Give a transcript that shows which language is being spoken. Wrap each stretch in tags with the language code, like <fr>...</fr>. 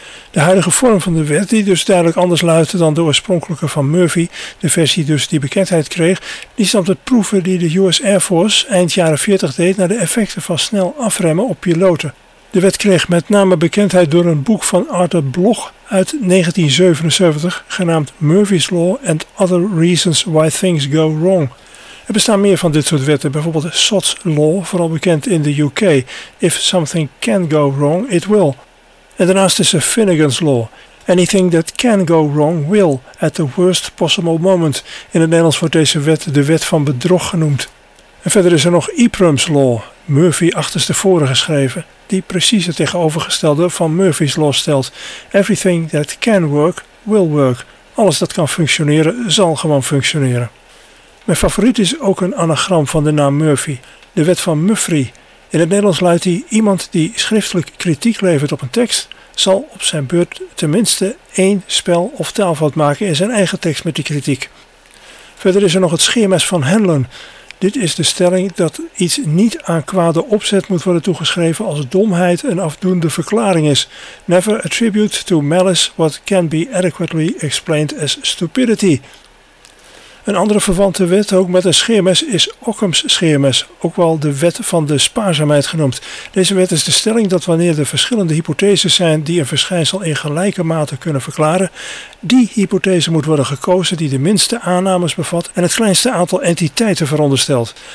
<nl>De huidige vorm van de wet, die dus duidelijk anders luidde dan de oorspronkelijke van Murphy, de versie dus die bekendheid kreeg, die stamt uit proeven die de US Air Force eind jaren 40 deed naar de effecten van snel afremmen op piloten. De wet kreeg met name bekendheid door een boek van Arthur Bloch uit 1977, genaamd Murphy's Law and Other Reasons Why Things Go Wrong. Er bestaan meer van dit soort wetten, bijvoorbeeld Sod's Law, vooral bekend in de UK.</nl> <en>If something can go wrong, it will.</en> <nl>En daarnaast is er Finnegan's Law.</nl> <en>Anything that can go wrong will, at the worst possible moment.</en> <nl>In het Nederlands wordt deze wet de wet van bedrog genoemd. En verder is er nog Ephraim's Law, Murphy achterstevoren geschreven, die precies het tegenovergestelde van Murphy's Law stelt.</nl> <en>Everything that can work, will work.</en> <nl>Alles dat kan functioneren, zal gewoon functioneren. Mijn favoriet is ook een anagram van de naam Murphy, de wet van Murphy. In het Nederlands luidt hij: iemand die schriftelijk kritiek levert op een tekst, zal op zijn beurt tenminste één spel- of taalfout maken in zijn eigen tekst met die kritiek. Verder is er nog het scheermes van Hanlon. Dit is de stelling dat iets niet aan kwade opzet moet worden toegeschreven als domheid een afdoende verklaring is.</nl> <en>Never attribute to malice what can be adequately explained as stupidity.</en> <nl>Een andere verwante wet, ook met een scheermes, is Occam's scheermes, ook wel de wet van de spaarzaamheid genoemd. Deze wet is de stelling dat wanneer er verschillende hypotheses zijn die een verschijnsel in gelijke mate kunnen verklaren, die hypothese moet worden gekozen die de minste aannames bevat en het kleinste aantal entiteiten veronderstelt.</nl>